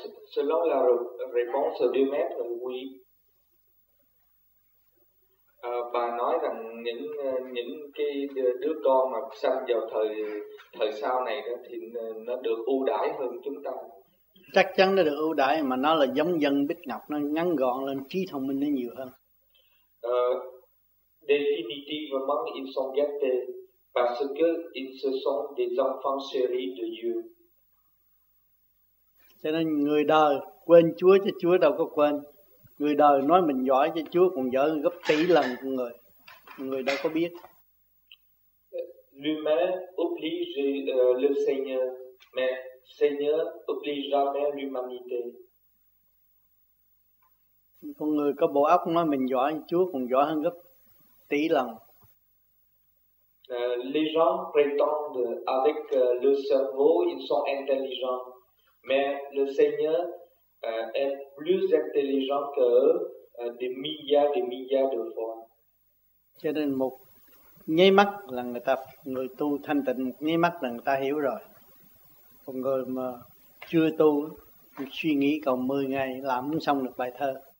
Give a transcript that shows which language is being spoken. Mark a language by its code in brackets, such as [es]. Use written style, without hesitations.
[fr] Selon la réponse du maître, oui. [vi] Bà nói rằng những cái đứa con mà sanh vào thời thời sau này đó thì nó được ưu đãi hơn chúng ta. Chắc chắn nó được ưu đãi mà nó là giống dân Bích Ngọc, nó ngắn gọn lên, trí thông minh nó nhiều hơn. [fr] Définitivement, ils sont gâtés parce que ils sont des enfants chéris de Dieu. [vi] Cho nên người đời quên Chúa chứ Chúa đâu có quên. Người đời nói mình giỏi cho Chúa còn dở gấp tỷ lần của người. Người đâu có biết. [fr] L'humain oblige le Seigneur, mais Seigneur oblige jamais l'humanité. [vi] Con người có bộ óc nói mình giỏi cho Chúa còn giỏi hơn gấp tỷ lần. [fr] Les gens prétendent avec le cerveau ils sont intelligents, mais le Seigneur est plus intelligent que des milliards et milliards de fois. [vi] Cho nên một nháy mắt là người ta, người tu thanh tịnh một nháy mắt là người ta hiểu rồi. Còn người mà chưa tu suy nghĩ còn 10 ngày làm không xong được bài thơ.